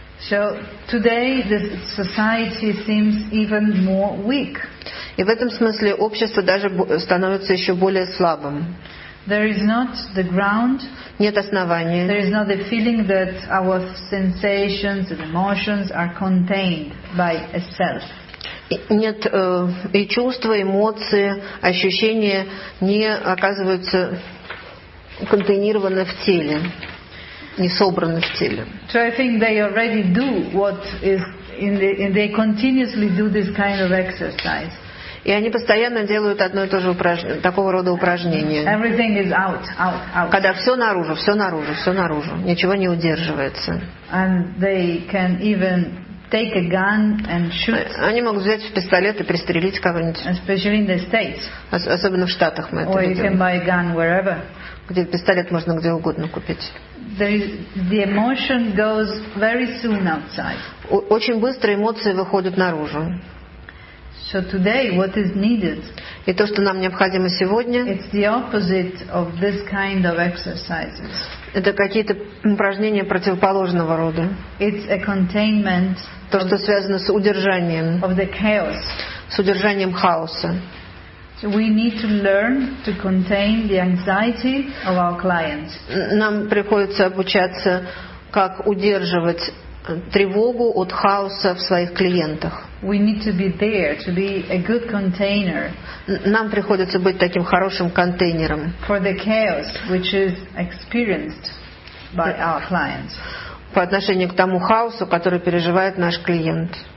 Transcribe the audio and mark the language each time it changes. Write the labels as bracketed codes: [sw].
[en] So today the society seems even more weak. [ru] И в этом смысле общество даже становится еще более слабым. [en] There is not the ground. [ru] Нет основания. [en] There is not the feeling that our sensations and emotions are contained by a self. [ru] Нет и чувства, эмоции, ощущения не оказываются контейнированы в теле. Не собраны в теле. [en] So I think they already do what is in the, they continuously do this kind of exercise. [ru] И они постоянно делают одно и то же упражнение, такого рода упражнения. [en] Everything is out, out, out. [ru] Когда все наружу, все наружу, все наружу, ничего не удерживается. [en] And they can even take a gun and shoot. [ru] Они могут взять пистолет и пристрелить кого-нибудь. [en] Especially in the States. [ru] Особенно в Штатах мы это видим. [en] Or you can buy a gun wherever. [ru] Где пистолет можно где угодно купить. [en] The emotion goes very soon outside. [ru] Очень быстро эмоции выходят наружу. [en] So today, what is needed? [ru] И то, что нам необходимо сегодня, [en] it's the opposite of this kind of exercises. [ru] Это какие-то упражнения противоположного рода. [en] It's a containment. [ru] То, что связано с удержанием. [en] Of the chaos. [ru] С удержанием хаоса. [en] We need to learn to contain the anxiety of our clients. [ru] Нам приходится обучаться, как удерживать тревогу от хаоса в своих клиентах. [en] We need to be there to be a good container. [ru] Нам приходится быть таким хорошим контейнером. [en] For the chaos which is experienced by our clients. [ru] По отношению к тому хаосу, который переживает наш клиент.